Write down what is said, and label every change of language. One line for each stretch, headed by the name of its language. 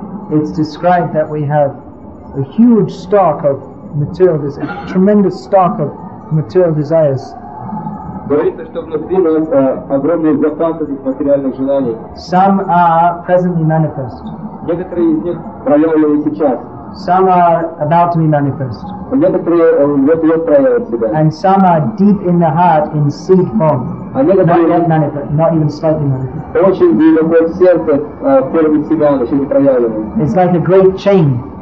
English: It's described that we have a huge stock of material desires, tremendous stock of material desires.
Russian: Говорится, что внутри нас огромные запасы этих материальных желаний.
English: Some are presently manifest.
Russian: Некоторые из них проявлены сейчас.
English: Some are about to be manifest. And some are deep in the heart in seed form. Not even slightly manifest. It's like a great chain.